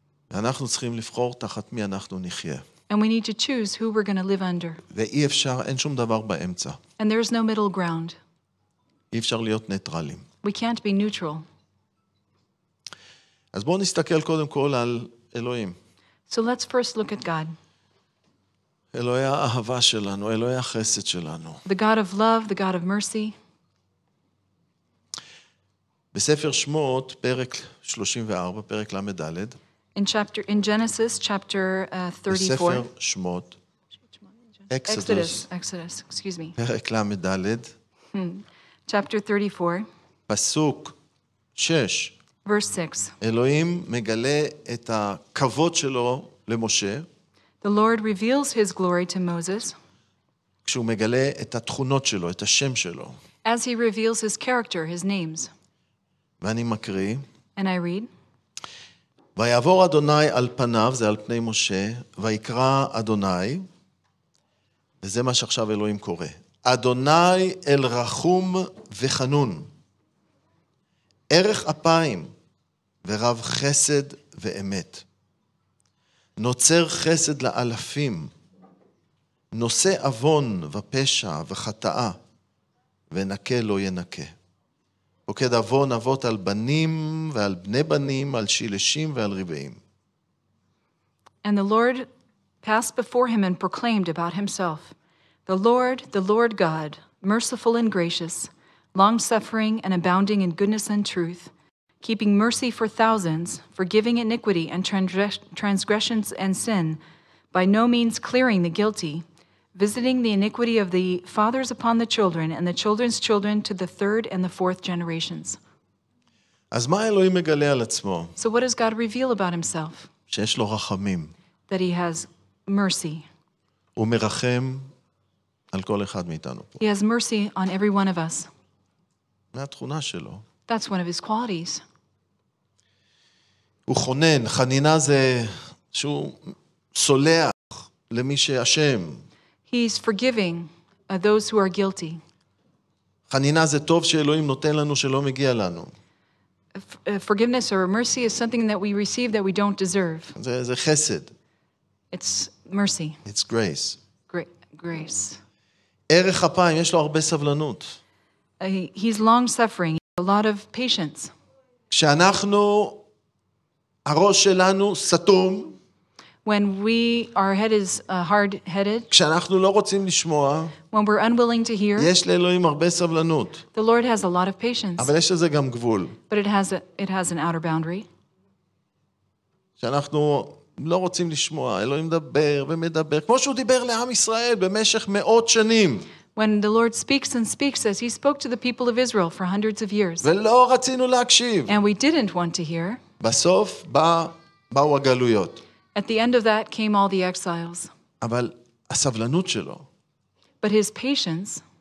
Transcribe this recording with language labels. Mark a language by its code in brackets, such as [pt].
[he] אנחנו צריכים לבחור תחת מי אנחנו נחיה. [en] And we need to choose who we're going to live under. [he] ואי אפשר, אין שום דבר באמצע. [en] And there's no middle ground. [he] אי אפשר להיות ניטרלים. [en] We can't be neutral. [he] אז בואו נסתכל קודם כל על אלוהים. [en] So let's first look at God. [he] אלוהי האהבה שלנו, אלוהי החסד שלנו. [en] The God of love, the God of mercy. [he] בספר שמות, פרק 34, פרק למד דלת. [en] In Genesis, chapter 34. [he] בספר שמות. [en] Exodus, excuse me. [he] פרק למד דלת. [en] Chapter 34. [he] פסוק 6. [en] Verse 6. [he] אלוהים מגלה את הכבוד שלו למשה. [en] The Lord reveals his glory to Moses. [he] כשהוא מגלה את התכונות שלו, את השם שלו. [en] As he reveals his character, his names. [he] ואני מקריא. [en] And I read. [he] ויעבור אדוני על פניו, זה על פני משה, ויקרא אדוני, וזה מה שעכשיו אלוהים קורא. אדוני אל רחום וחנון. ערך אפיים ורב חסד ואמת. נוצר חסד לאלפים, נושא אבון ופשע וחטאה, ונקה לא ינקה. פוקד אבון אבות על בנים ועל בני בנים, על שילשים ועל רבעים. [en] And the Lord passed before him and proclaimed about himself, the Lord God, merciful and gracious, long-suffering and abounding in goodness and truth, keeping mercy for thousands, forgiving iniquity and transgressions and sin, by no means clearing the guilty, visiting the iniquity of the fathers upon the children and the children's children to the third and the fourth generations. [he] אז מה אלוהים מגלה על עצמו? [en] So what does God reveal about himself? [he] שיש לו רחמים. [en] That he has mercy. [he] הוא מרחם על כל אחד מאיתנו פה. [en] He has mercy on every one of us. [he] מה התכונה שלו? [en] That's one of his qualities. [he] הוא חונן, חנינה זה שהוא סולח למי שאשם. [en] He's forgiving those who are guilty. [he] חנינה זה טוב שאלוהים נותן לנו שלא מגיע לנו. [en] Forgiveness or mercy is something that we receive that we don't deserve. [he] זה חסד. [en] It's mercy. It's grace. Grace. [he] ערך אפיים, יש לו הרבה סבלנות. [en] He's long suffering, a lot of patience. [he] כשאנחנו הראש שלנו סתום, [en] when we our head is hard headed, [he] כשאנחנו לא רוצים לשמוע, [en] when we're unwilling to hear, [he] יש לאלוהים הרבה סבלנות. [en] The Lord has a lot of patience. [he] אבל יש לזה גם גבול. [en] But it has an outer boundary. [he] כשאנחנו לא רוצים לשמוע, אלוהים מדבר ומדבר, כמו שהוא דיבר לעם ישראל במשך מאות שנים. [en] When the Lord speaks and speaks as he spoke to the people of Israel for hundreds of years. [he] ולא רצינו להקשיב. [en] And we didn't want to hear. [he] בסוף באו הגלויות. [en] At the end of that came all the exiles. [he] אבל הסבלנות שלו. [en] But his patience.